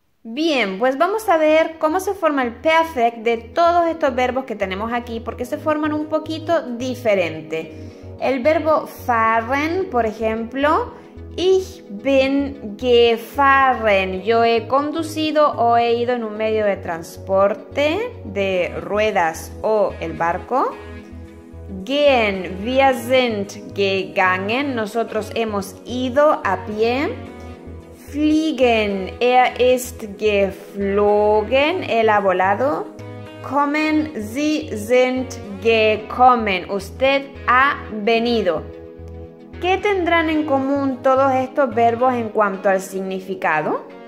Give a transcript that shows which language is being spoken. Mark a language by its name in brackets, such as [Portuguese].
[Spanish] Bien, pues vamos a ver cómo se forma el perfect de todos estos verbos que tenemos aquí, porque se forman un poquito diferente. El verbo fahren, por ejemplo, [German] ich bin gefahren. [Spanish] Yo he conducido o he ido en un medio de transporte de ruedas o el barco. [German] Gehen, wir sind gegangen. [Spanish] Nosotros hemos ido a pie. [German] Fliegen, ist geflogen, [Spanish] él ha volado. [German] Kommen, sie sind gekommen, [Spanish] usted ha venido. ¿Qué tendrán en común todos estos verbos en cuanto al significado?